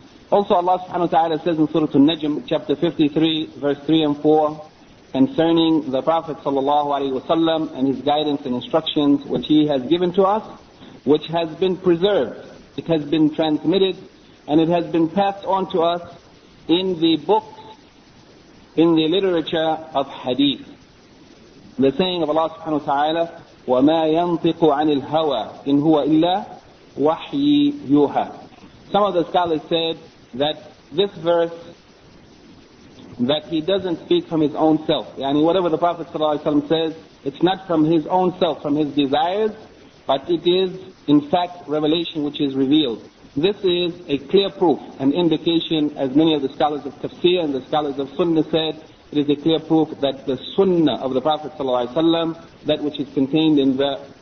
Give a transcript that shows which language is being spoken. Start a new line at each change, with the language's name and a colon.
English: Also Allah subhanahu wa ta'ala says in Surah An-Najm, chapter 53, verse 3 and 4, concerning the Prophet sallallahu alaihi wasallam and his guidance and instructions which he has given to us, which has been preserved, it has been transmitted, and it has been passed on to us in the books, in the literature of hadith. The saying of Allah subhanahu wa ta'ala,
Arabic: وَمَا يَنْطِقُ عَنِ الْهَوَى إِنْ هُوَ إِلَّا وَحْيِ يُوحَى.
English: Some of the scholars said that this verse, that he doesn't speak from his own self. Yani whatever the Prophet ﷺ says, it's not from his own self, from his desires, but it is in fact revelation which is revealed. This is a clear proof, an indication, as many of the scholars of tafsir and the scholars of sunnah said, it is a clear proof that the sunnah of the Prophet ﷺ, that which is contained in the